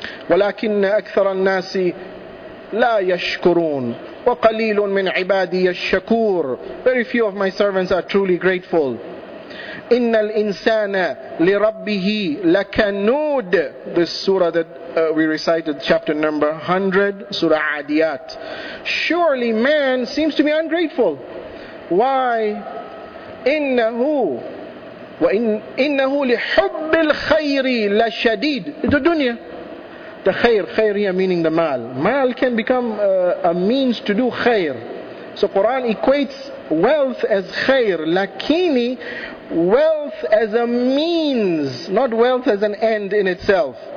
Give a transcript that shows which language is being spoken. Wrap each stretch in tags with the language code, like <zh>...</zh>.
<ar>ولكن أكثر الناس لا يشكرون وقليل من عبادي الشكور.</ar> <en>Very few of my servants are truly grateful.</en> <ar>إن الإنسان لربه لكنود.</ar> <en>This surah that we recited, chapter number 100, Surah Adiyat. Surely man seems to be ungrateful. Why?</en> <ar>إنه وإن إنه لحب الخير لشديد.</ar> <en>It's the dunya. The khair, khair here meaning the mal. Mal can become a means to do khair. So Quran equates wealth as khair. Lakini, wealth as a means, not wealth as an end in itself.</en>